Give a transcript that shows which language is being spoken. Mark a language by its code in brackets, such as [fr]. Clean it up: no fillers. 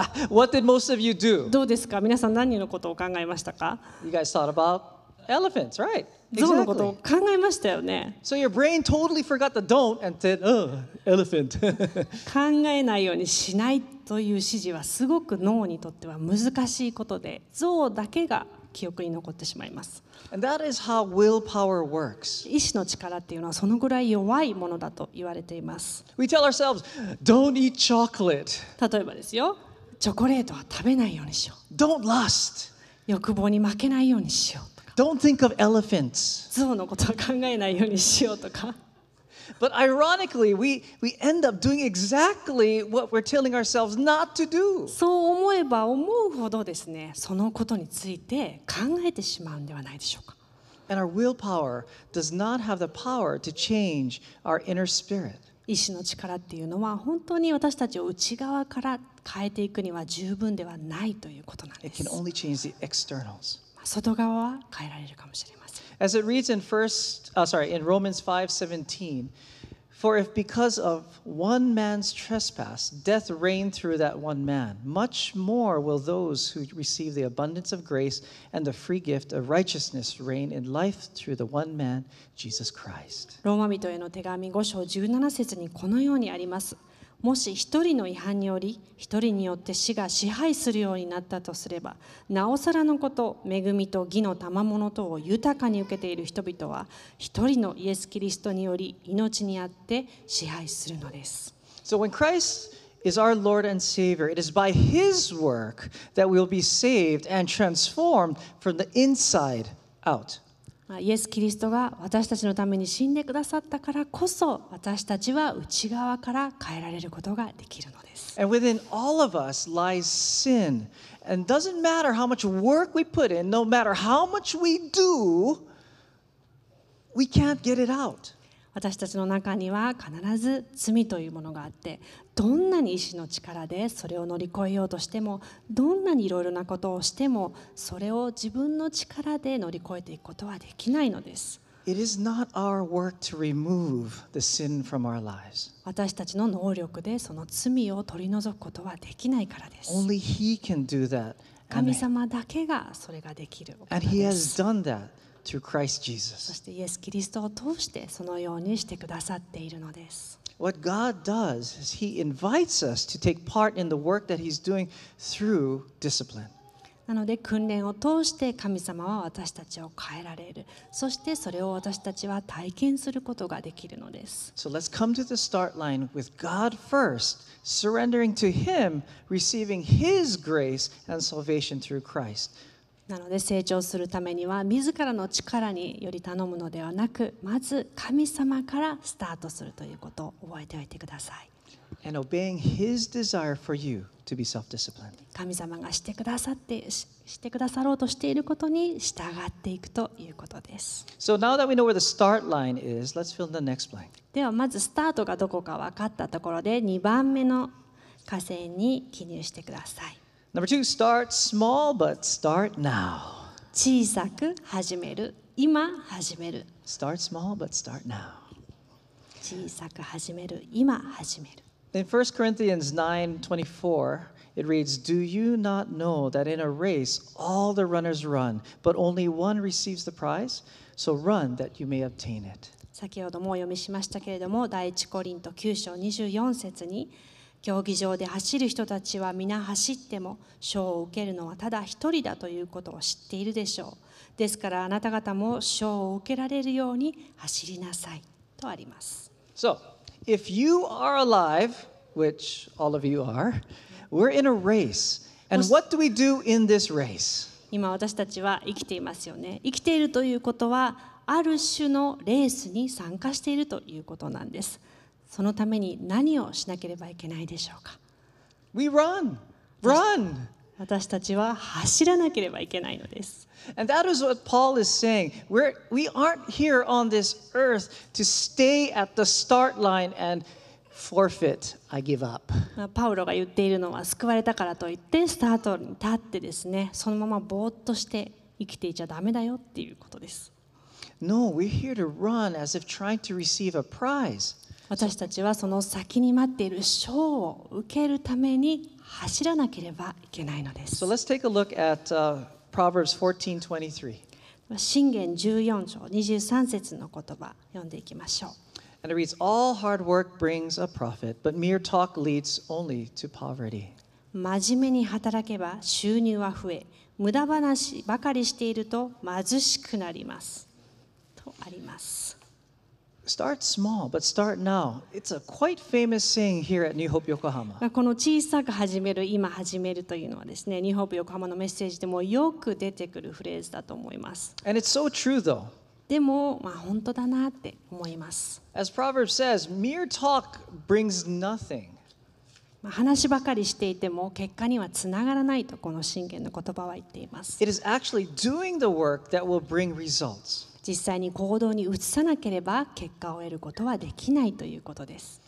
[en] What did most of you do? [ja] どうですか？皆さん何のことを考えましたか？ [en] You guys thought about elephants, right? Exactly. [ja] 象のことを考えましたよね。 [en] So your brain totally forgot the don't and said, oh, elephant. [ja] 考えないようにしない。という指示はすごく脳にとっては難しいことで、象だけが記憶に残ってしまいます。 [en] And that is how willpower works. [ja] 意志の力っていうのはそのぐらい弱いものだと言われています。 [en] We tell ourselves, don't eat chocolate. [ja] 例えばですよ、チョコレートは食べないようにしよう。 [en] Don't lust. [ja] 欲望に負けないようにしようとか。 [en] Don't think of elephants. [ja] 象のことは考えないようにしようとか。 [en] But ironically, we end up doing exactly what we're telling ourselves not to do. [ja] そう思えば思うほどですね、そのことについて考えてしまうんではないでしょうか。 [en] And our willpower does not have the power to change our inner spirit. [ja] 意志の力っていうのは本当に私たちを内側から変えていくには十分ではないということなんです。 [en] It can only change the externals. [ja] 外側は変えられるかもしれません。 [en] As it reads in Romans 5:17, for if because of one man's trespass death reigned through that one man, much more will those who receive the abundance of grace and the free gift of righteousness reign in life through the one man, Jesus Christ. [ja] ローマ人への手紙5章17節にこのようにあります。もし一人の違反により一人によって死が支配するようになったとすればなおさらのこと恵みと義の賜物等を豊かに受けている人々は一人のイエスキリストにより命にあって支配するのです。 [en] So when Christ is our Lord and Savior. It is by His work that we will be saved and transformed from the inside out. [ja] イエス・キリストが私たちのために死んでくださったからこそ、私たちは内側から変えられることができるのです。 [en] And within all of us lies sin. And doesn't matter how much work we put in, no matter how much we do, we can't get it out. [ja] 私たちの中には必ず罪というものがあって、どんなに意志の力でそれを乗り越えようとしても、どんなにいろいろなことをしても、それを自分の力で乗り越えていくことはできないのです。 [en] It is not our work to remove the sin from our lives. [ja] 私たちの能力でその罪を取り除くことはできないからです。 [en] Only He can do that. [ja] 神様だけがそれができる。 [en] And He has done that. Through Christ Jesus. [ja] そしてイエス・キリストを通してそのようにしてくださっているのです。 [en] What God does is He invites us to take part in the work that He's doing through discipline. [ja] なので訓練を通して神様は私たちを変えられる。そしてそれを私たちは体験することができるのです。 [en] So let's come to the start line with God first, surrendering to Him, receiving His grace and salvation through Christ. [ja] なので成長するためには自らの力により頼むのではなく、まず神様からスタートするということを覚えておいてください。 [en] And obeying His desire for you to be self-disciplined. [ja] 神様がしてくださろうとしていることに従っていくということです。 [en] So now that we know where the start line is, let's fill in the next blank. [ja] ではまずスタートがどこか分かったところで2番目の箇所に記入してください。 [en] Number two, start small, but start now. [ja] 小さく始める、今始める。 [en] Start small, but start now. [ja] 小さく始める、今始める。 [en] In 1 Corinthians 9:24, it reads, Do you not know that in a race all the runners run, but only one receives the prize? So run that you may obtain it. [ja] 先ほどもお読みしましたけれども、第一コリント9章24節に、競技場で走る人たちは皆走っても賞を受けるのはただ一人だということを知っているでしょう。ですからあなた方も賞を受けられるように走りなさいとあります。 [en] So, if you are alive, which all of you are, we're in a race. And what do we do in this race? [ja] 今私たちは生きていますよね。生きているということはある種のレースに参加しているということなんです。そのために何をしなければいけないでしょうか。 [en] We run, run. [ja] 私たちは走らなければいけないのです。 [en] And that is what Paul is saying. We aren't here on this earth to stay at the start line and forfeit. I give up. [ja] パウロが言っているのは、救われたからといってスタートに立ってですね、そのままぼーっとして生きていちゃダメだよっていうことです。 [en] No, we're here to run as if trying to receive a prize. [ja] 私たちはその先に待っている賞を受けるために走らなければいけないのです。 [en] So let's take a look at Proverbs 14:23. [ja] 箴言14章23節の言葉読んでいきましょう。 [en] And it reads, All hard work brings a profit, but mere talk leads only to poverty. [ja] 真面目に働けば収入は増え、無駄話ばかりしていると貧しくなります。とあります。 [en] Start small, but start now. It's a quite famous saying here at New Hope Yokohama. [ja] この小さく始める、今始めるというのはですね、New Hope Yokohama のメッセージでもよく出てくるフレーズだと思います。 [en] And it's so true, though. [ja] でも、まあ、本当だなって思います。 [en] As Proverbs says, mere talk brings nothing. [ja] 話ばかりしていても結果にはつながらないとこの箴言の言葉は言っています。 [en] It is actually doing the work that will bring results. [ja] 実際に行動に移さなければ結果を得ることはできないということです。